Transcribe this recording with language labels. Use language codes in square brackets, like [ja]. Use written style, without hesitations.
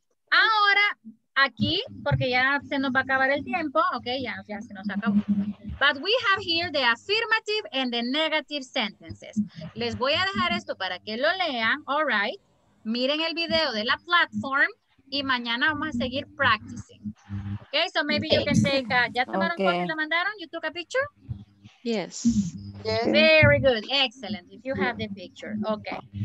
[es] Ahora, aquí, porque ya se nos va a acabar el tiempo, okay, ya se nos acabó. [en] But we have here the affirmative and the negative sentences. [es] Les voy a dejar esto para que lo lean. [en] All right. [es] Miren el video de la platform y mañana vamos a seguir practicing. [en] Okay, so maybe you can take a, [es] ¿ya tomaron foto y lo mandaron? [en] You took a picture? Yes. Very good. Excellent. If you have the picture. Okay.